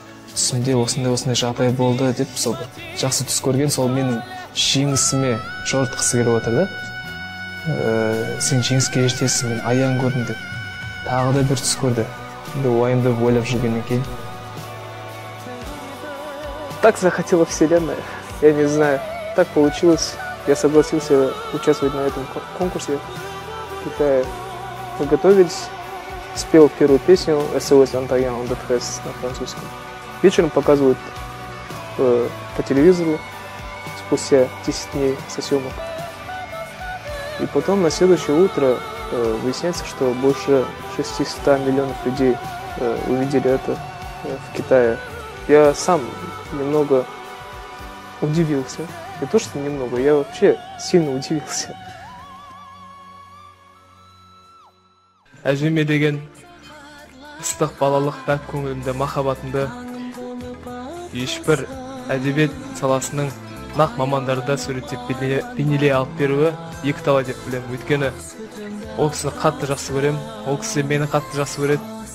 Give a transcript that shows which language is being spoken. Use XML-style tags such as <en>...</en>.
<kk>Түсімде осындай жағдай болды деп сол жақсы түс көрген сол менің жеңісіме жорытқысы келіп отыр да. Сен жеңіске жетесің, мен аян көрдім деп. Тағы да бір түс көрді. Енді уайымды ойлап жүргеннен кейін.</kk> <ru>Так захотела вселенная. Я не знаю. Так получилось. Я согласился участвовать на этом конкурсе. Китай. Мы готовились. Спел первую песню «SOS Antoine de Tres» на французском. Вечером показывают по телевизору спустя 10 дней со съемок. И потом на следующее утро выясняется, что больше 600 миллионов людей увидели это в Китае. Я сам немного удивился. Не то, что немного, я вообще сильно удивился.</ru> <kk>Әжеме деген ыстық балалық пәк көңілімді, махаббатымды ешбір әдебиет саласының нақ мамандарда суреттеп бейнелей алып беруі екі талай деп білемін. Өйткені ол кісіні қатты жақсы көремін, ол кісі мені қатты жақсы көреді.</kk>